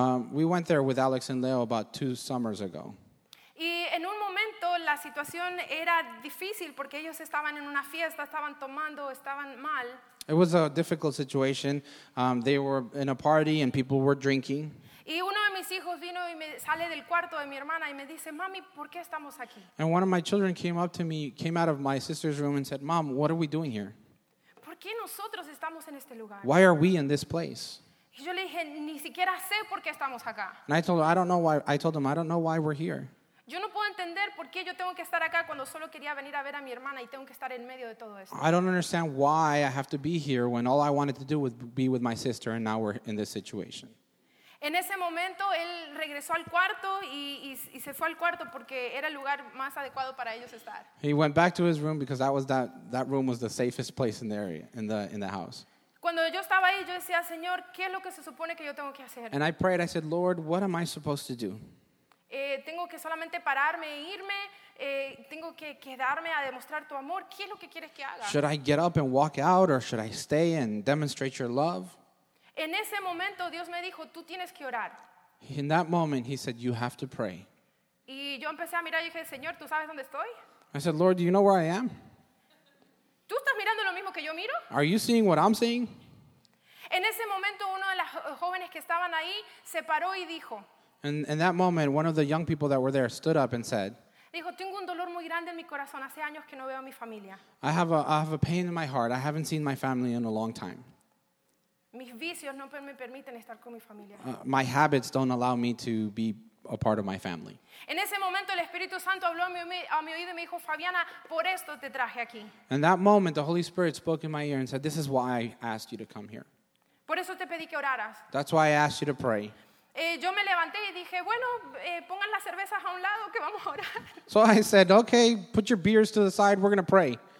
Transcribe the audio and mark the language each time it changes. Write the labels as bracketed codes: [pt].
[en] We went there with Alex and Leo about two summers ago. [es] Y en un momento la situación era difícil porque ellos estaban en una fiesta, estaban tomando, estaban mal. [en] It was a difficult situation. They were in a party and people were drinking. [es] Y uno de mis hijos vino y me sale del cuarto de mi hermana y me dice, "Mami, ¿por qué estamos aquí?" [en] And one of my children came up to me, came out of my sister's room and said, "Mom, what are we doing here?" [es] ¿Por qué nosotros estamos en este lugar? [en] Why are we in this place? [es] Y yo le dije, ni siquiera sé por qué estamos acá. [en] And I told him, I don't know why we're here. [es] Yo no puedo entender por qué yo tengo que estar acá cuando solo quería venir a ver a mi hermana y tengo que estar en medio de todo esto. [en] I don't understand why I have to be here when all I wanted to do was be with my sister and now we're in this situation. [es] En ese momento, él regresó al cuarto y se fue al cuarto porque era el lugar más adecuado para ellos estar. [en] He went back to his room because that room was the safest place in the area, in the house. [es] Cuando yo estaba ahí, yo decía, Señor, ¿qué es lo que se supone que yo tengo que hacer? [en] And I prayed, I said, Lord, what am I supposed to do? [es] Tengo que solamente pararme e irme. Tengo que quedarme a demostrar tu amor. ¿Qué es lo que quieres que haga? [en] Should I get up and walk out or should I stay and demonstrate your love? [es] En ese momento Dios me dijo, tú tienes que orar. [en] In that moment he said, you have to pray. [es] Y yo empecé a mirar y dije, Señor, ¿tú sabes dónde estoy? [en] I said, Lord, do you know where I am? [es] ¿Tú estás mirando lo mismo que yo miro? [en] Are you seeing what I'm seeing? [es] En ese momento uno de las jóvenes que estaban ahí se paró y dijo. [en] And in that moment one of the young people that were there stood up and said, [es] dijo, tengo un dolor muy grande en mi corazón, hace años que no veo a mi familia. [en] I have a pain in my heart. I haven't seen my family in a long time. [es] Mis vicios no me permiten estar con mi familia. [en] My habits don't allow me to be a part of my family. [es] En ese momento el Espíritu Santo habló a mi oído y me dijo, Fabiana, por esto te traje aquí. [en] In that moment the Holy Spirit spoke in my ear and said, this is why I asked you to come here. [es] Por eso te pedí que oraras. [en] That's why I asked you to pray. [es] Yo me levanté y dije, bueno, pongan las cervezas a un lado que vamos a orar. [en] So I said, okay, put your beers to the side, we're going to pray.